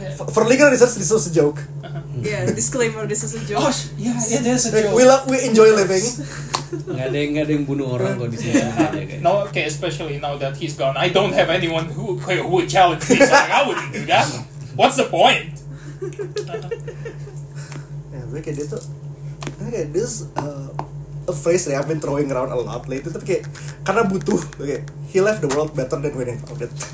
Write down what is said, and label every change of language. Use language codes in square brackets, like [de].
[en] for legal reasons, this was a joke. Yeah, disclaimer, this is a joke. Oh, yeah, it is a joke. Like, we enjoy living. [id] Nggak ada yang bunuh orang kok di sini. [en] No, okay, especially now that he's gone. I don't have anyone who would challenge me. Like, I wouldn't do that. What's the point? Yeah, [id] kayak dia tuh, kayak [en] this a phrase that I've been throwing around a lot lately. [id] Tapi kayak karena butuh, kayak [en] he left the world better than when he found it.